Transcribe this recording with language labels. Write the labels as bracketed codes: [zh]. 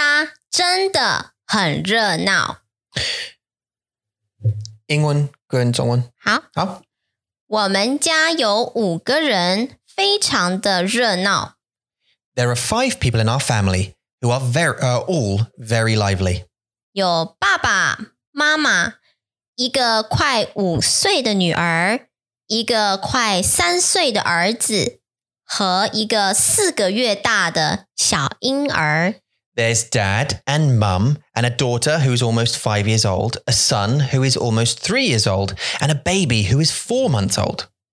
[zh] 今天的故事主题是我们家真的很热闹。英文跟中文。好。我们家有五个人,非常的热闹。 [en] There are five people in our family who are all very lively. [zh] 有爸爸,妈妈,一个快五岁的女儿,一个快三岁的儿子,和一个四个月大的小婴儿。 [en] There's dad and mum and a daughter who's almost 5 years old, a son who is almost 3 years old, and a baby who is 4 months old.